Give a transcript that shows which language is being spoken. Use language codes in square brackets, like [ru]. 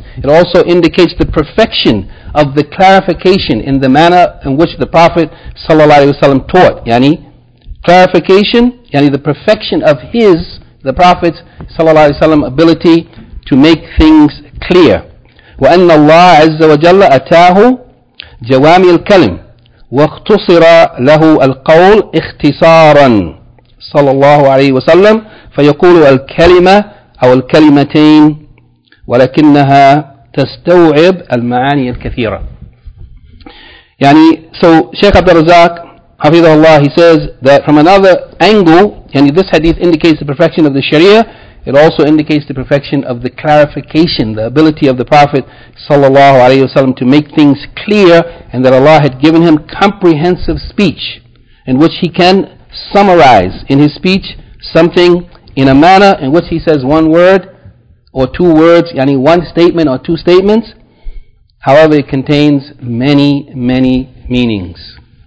[en] It also indicates the perfection of the clarification in the manner in which the Prophet sallallahu alayhi wa sallam taught. Yani, clarification, yani the perfection of his, the Prophet sallallahu alayhi wa sallam, ability to make things clear. [ar] وَأَنَّ اللَّهَ عَزَّ وَجَلَّ أَتَاهُ جَوَامِ الْكَلِمِ واختصر له القول اختصارا صلى الله عليه وسلم فيقول الكلمة أو الكلمتين ولكنها تستوعب المعاني الكثيرة. [en] يعني so Shaykh Abdul Razak [ar] حفظه الله, [en] he says that from another angle, يعني this hadith indicates the perfection of the Sharia. It also indicates the perfection of the clarification, the ability of the Prophet sallallahu alaihi wasallam to make things clear, and that Allah had given him comprehensive speech in which he can summarize in his speech something in a manner in which he says one word or two words, yani one statement or two statements, however it contains many, many meanings.